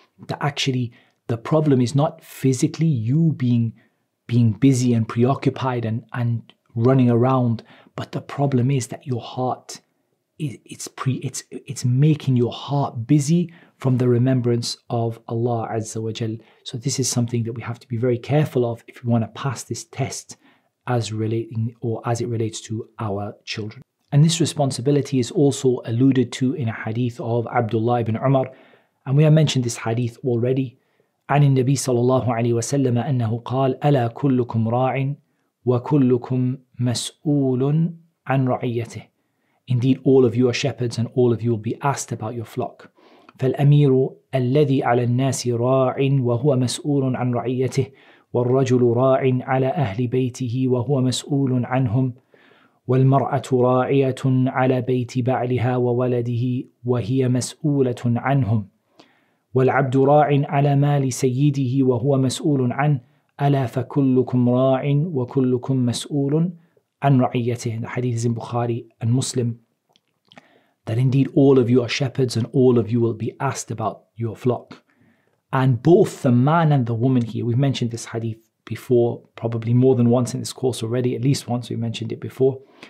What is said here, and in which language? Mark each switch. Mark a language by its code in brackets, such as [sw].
[en] That actually, the problem is not physically you being busy and preoccupied and running around, but the problem is that your heart it's making your heart busy from the remembrance of Allah Azza wa Jal. So this is something that we have to be very careful of if we want to pass this test as it relates to our children. And this responsibility is also alluded to in a hadith of Abdullah ibn Umar. And we have mentioned this hadith already. [ar] عن النبي صلى الله عليه وسلم أنه قال ألا كلكم راع وكلكم مسؤول عن رعيته. [en] Indeed, all of you are shepherds and all of you will be asked about your flock. [ar] فالأمير الذي على الناس راع وهو مسؤول عن رعيته والرجل راع على أهل بيته وهو مسؤول عنهم والمرأة راعية على بيت بعلها وولده وهي مسؤولة عنهم والعبد راع على مال سيده وهو مسؤول عنه ألا فكلكم راع وكلكم مسؤول عن رعيته. [en] The hadith is in Bukhari and Muslim, that indeed all of you are shepherds and all of you will be asked about your flock. And both the man and the woman here, we've mentioned this hadith before, probably more than once in this course already, at least once we mentioned it before.